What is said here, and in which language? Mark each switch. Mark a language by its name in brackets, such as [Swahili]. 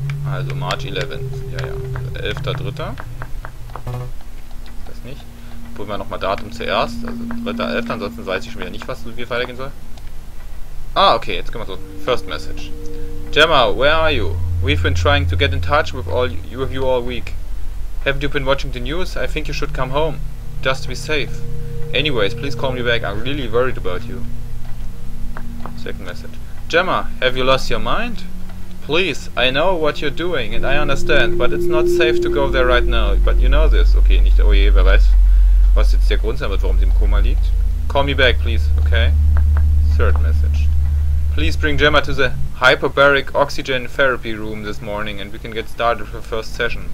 [German] Also [English] March 11th, [German] ja. 11.3. Ist das nicht? Probieren wir nochmal Datum zuerst. Also 3.11. Ansonsten weiß ich schon wieder nicht, was wie weitergehen soll. Ah, okay, jetzt können wir so. [English] First message. Gemma, where are you? We've been trying to get in touch with you all week. Haven't you been watching the news? I think you should come home. Just to be safe. Anyways, please call me back. I'm really worried about you. Second message. Gemma, have you lost your mind? Please, I know what you're doing and I understand, but it's not safe to go there right now. But you know this. [German] Okay, nicht, oh je, wer weiß, was jetzt der Grund sein wird, warum sie im Koma liegt. [English] Call me back, please, okay? Third message. Please bring Gemma to the hyperbaric oxygen therapy room this morning and we can get started with the first session.